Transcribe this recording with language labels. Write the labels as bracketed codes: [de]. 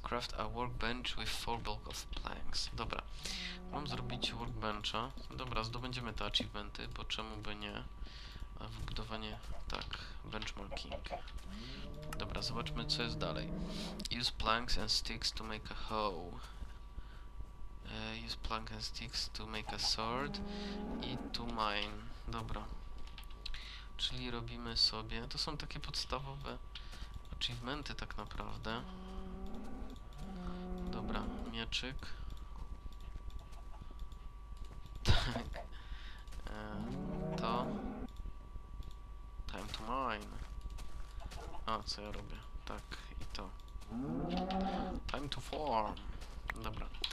[en] Craft a workbench with 4 blocks of planks. [pl] Dobra. Mam zrobić workbencha. Dobra, zdobędziemy te achievementy, bo czemu by nie? Wybudowanie, tak, benchmarking. Dobra, zobaczmy, co jest dalej. [en] Use planks and sticks to make a hoe. Use plank and sticks to make a sword i to mine. [pl] Dobra. Czyli robimy sobie... To są takie podstawowe achievementy tak naprawdę. Dobra, mieczyk. Tak. To... [en] Time to mine. [pl] A, co ja robię? Tak, i to. [en] Time to farm. [pl] Dobra.